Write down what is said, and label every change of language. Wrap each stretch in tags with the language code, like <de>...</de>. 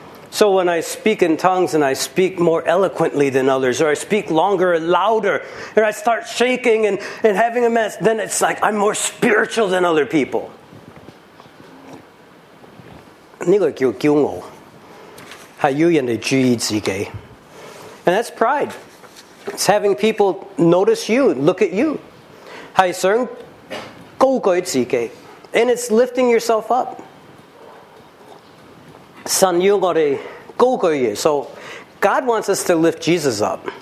<en>So when I speak in tongues and I speak more eloquently than others, or I speak longer and louder, or I start shaking and having a mess, then it's like I'm more spiritual than other people.</en> <yue>个叫骄傲，系要人哋注意自己。</yue> <en>And that's pride. It's having people notice you, look at you.</en> <yue>系想高举自己。</yue> <en>And it's lifting yourself up.</en> <yue>神要我哋高举耶稣。</yue> <en>God wants us to lift Jesus up.</en>